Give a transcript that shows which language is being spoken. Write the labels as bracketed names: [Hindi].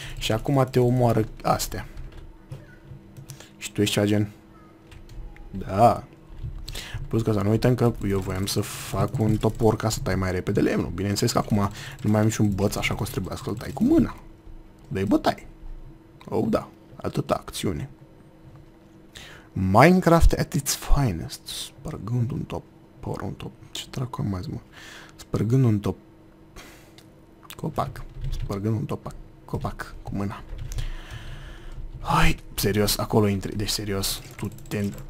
[Romanian] Și acum te omoară astea. Și tu ești cea gen? Da. Plus că să nu uităm că eu voiam să fac un topor ca să tai mai repede lemnul. Bineînțeles că acum nu mai am niciun băț așa că o să trebuie să-l tai cu mâna. Dă-i bătai. Oh da, atâta acțiune. [English] Minecraft at its finest. [Romanian] Spărgând un topor, ce dracu am mai zis, mă? Spărgând un topor. Copac. Spărgând un topac. Copac. Cu mâna. Hai, serios, acolo intri. Deci, serios, tu te...